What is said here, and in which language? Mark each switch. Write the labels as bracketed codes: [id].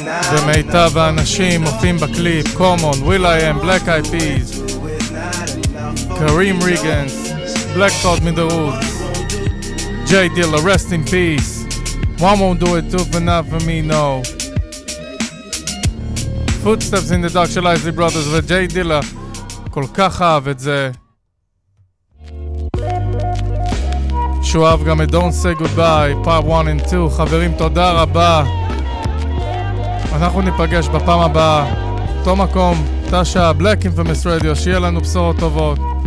[he] זה מיטב האנשים מופיעים בקליפ, קומון, וויל איי אם, בלק איי פיז, קרים ריגנס, [en] Black Cloud in the Woods. Jay Dilla, rest in peace. One won't do it, two for not for me, no. [he] Footsteps in the Dark של אייזלי ברודרס, וג'יי דילה כל כך אהב את זה שהוא אהב גם את Don't Say Goodbye, Part 1 and 2. חברים, תודה רבה. אנחנו ניפגש בפעם הבאה, אותו מקום, תשעה, Black Infamous Radio, שיהיה לנו בשורות טובות.